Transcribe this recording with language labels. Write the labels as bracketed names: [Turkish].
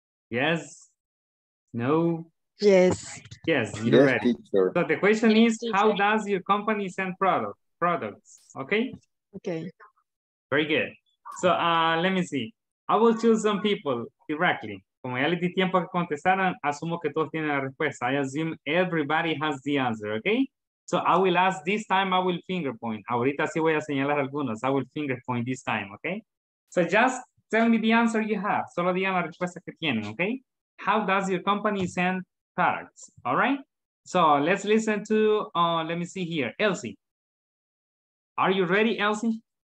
[English] Yes. No. Yes. Yes, you're yes, ready. Teacher. So the question is, how does your company send products? Okay. Okay. Very good. So let me see. I will choose some people directly. [Spanish] Como ya les di tiempo que contestaran, asumo que todos tienen la respuesta. [English] I assume everybody has the answer, okay? So I will ask this time, I will finger point. [Spanish] Ahorita sí voy a señalar algunos. [English] I will finger point this time, okay? So just tell me the answer you have. [Spanish] Solo digan la respuesta que tienen, [English] okay? How does your company send products, all right? So let's listen to, let me see here, Elsie. Are you ready, Elsie?